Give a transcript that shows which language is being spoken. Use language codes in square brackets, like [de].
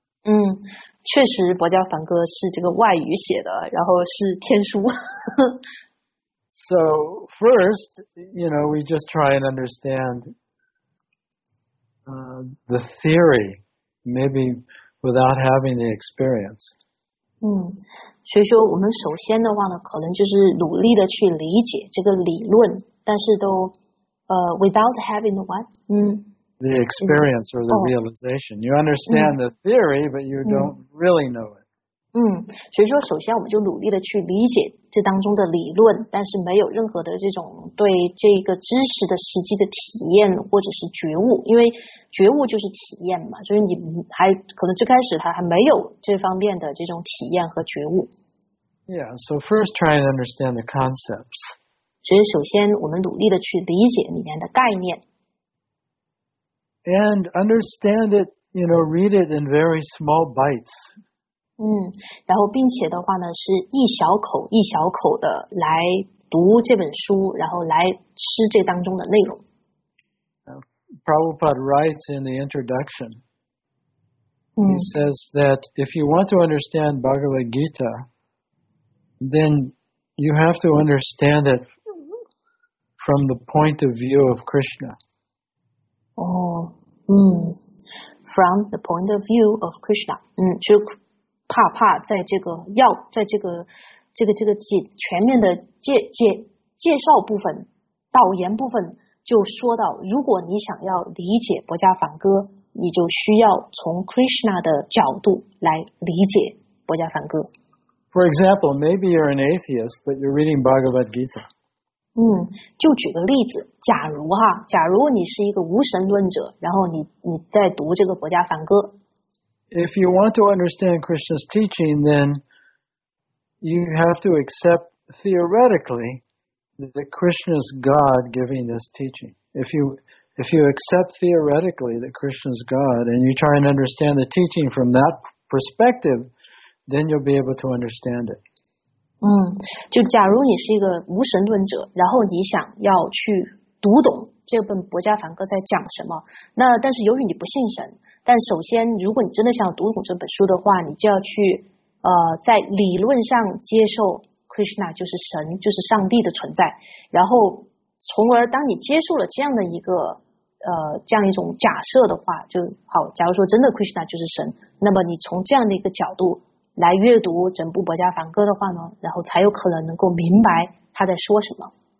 [zh] 确实薄伽梵歌是这个外语写的，然后是天书。 [en] So first, you know, we just try and understand the theory, maybe without having the experience. [zh] 所以说我们首先的话呢，可能就是努力的去理解这个理论，但是都 [en] without having the what? The experience or the realization. You understand the theory, but you don't really know it. [zh] 所以说首先我们就努力的去理解这当中的理论，但是没有任何的这种对这个知识的实际的体验或者是觉悟，因为觉悟就是体验嘛，就是你还可能最开始他还没有这方面的这种体验和觉悟。 [en] Yeah, so first try and understand the concepts. [zh] 所以首先我们努力的去理解里面的概念。 [en] And understand it, you know, read it in very small bites. [zh] 然后并且的话呢是一小口一小口的来读这本书，然后来吃这当中的内容。 [en] Prabhupada writes in the introduction, he says that if you want to understand Bhagavad Gita, then you have to understand it from the point of view of Krishna. From the point of view of Krishna. [zh] 就怕怕在这个要在这个全面的介绍部分导言部分就说到，如果你想要理解薄伽梵歌，你就需要从 Krishna 的角度来理解薄伽梵歌。 [en] For example, maybe you're an atheist, but you're reading Bhagavad Gita. [zh] 就举个例子，假如你是一个无神论者，然后你在读这个薄伽梵歌。 [en] If you want to understand Krishna's teaching, then you have to accept theoretically that Krishna's God giving this teaching. If you accept theoretically that Krishna's God and you try and understand the teaching from that perspective, then you'll be able to understand it. [zh] 就假如你是一个无神论者，然后你想要去读懂这本薄伽梵歌在讲什么，那但是由于你不信神。但首先如果你真的想读懂这本书的话，你就要去在理论上接受 Krishna 就是神就是上帝的存在，然后从而当你接受了这样的一个这样一种假设的话，就好，假如说真的 Krishna 就是神，那么你从这样的一个角度来阅读整部薄伽梵歌的话呢，然后才有可能能够明白他在说什么。